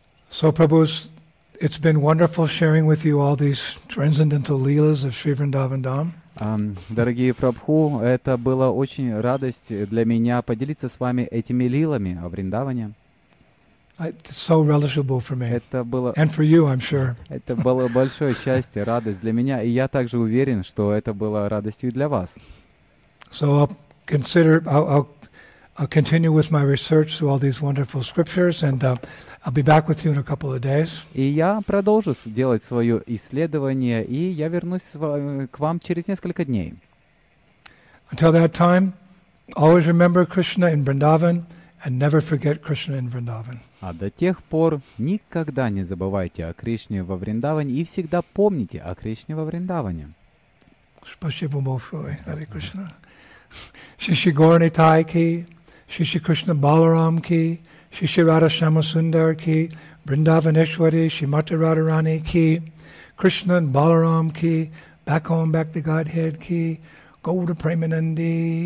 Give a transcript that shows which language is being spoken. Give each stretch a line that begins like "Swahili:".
English: So, Prabhus, it's been wonderful sharing with you all these transcendental leelas of Sri Vrindavan Dham.
Russian: Дорогие Прабху, это была очень радость для меня поделиться с вами этими лилами о Вриндаване.
English: It's so relishable for me.
Russian: Это было,
English: and for you, I'm sure.
Russian: Это было большое счастье, радость для меня, и я также уверен, что это было радостью для вас.
English: So I'll continue with my research through all these wonderful scriptures, and I'll be back with you in a couple of days.
Russian: И я продолжу делать свое исследование, и я вернусь к вам через несколько дней.
English: Until that time, always remember Krishna in Vrindavan. And never forget Krishna in Vrindavan.
Russian: А до тех пор никогда не забывайте о Кришне во Вриндаване и всегда помните о Кришне во Вриндаване. Спасибо большое, Hare Krishna. Шиши Горни Тайки, Шиши Кришна Баларам Ки, Шиши Рада Шама Сундар Ки, Вриндаванешвари, Шимати Радарани Ки, Кришна Баларам Ки, Back Home, Back to Godhead Ки, Гоуда Преманандхи.